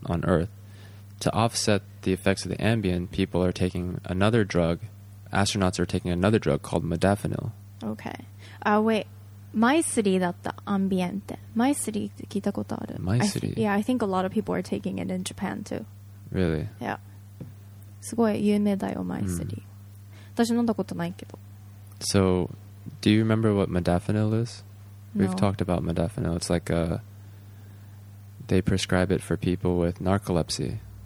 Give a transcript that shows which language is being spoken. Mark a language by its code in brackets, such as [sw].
[en] on Earth, to offset the effects of the Ambien, people are taking another drug. Astronauts are taking another drug called Modafinil. Okay. Wait. [ja] Mycerie だった Ambien って。 Mycerie って聞いたことある。 Mycerie. [en] Yeah, I think a lot of people are taking it in Japan too. Really? Yeah. [ja] すごい有名だよマイスリー、うん、私飲んだことないけど。 [en] So do you remember what Modafinil is? We've、 no. talked about Modafinil. It's like a, they prescribe it for people with narcolepsy.